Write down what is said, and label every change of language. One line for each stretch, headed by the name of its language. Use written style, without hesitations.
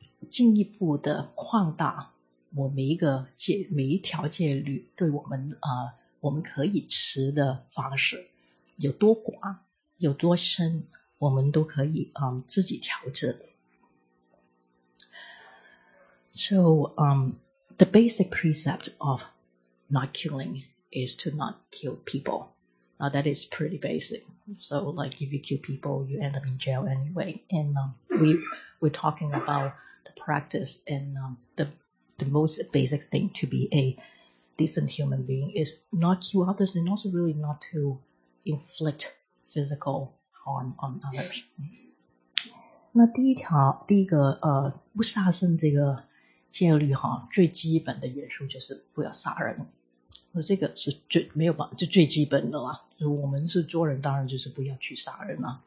Chinese: 进一步的扩大我们每一条戒律对我们我们可以持的方式有多广有多深，我们都可以自己调整。
English: So the basic precept of not killing is to not kill people. Now that is pretty basic. So like if you kill people, you end up in jail anyway. And we're talking about the practice and the most basic thing to be a decent human being is not kill others and also really not to inflict physical harm on others.
Chinese: 那第一个不杀生这个戒律哈，最基本的元素就是不要杀人。那这个是最基本的啦。就我们是做人，当然就是不要去杀人啦。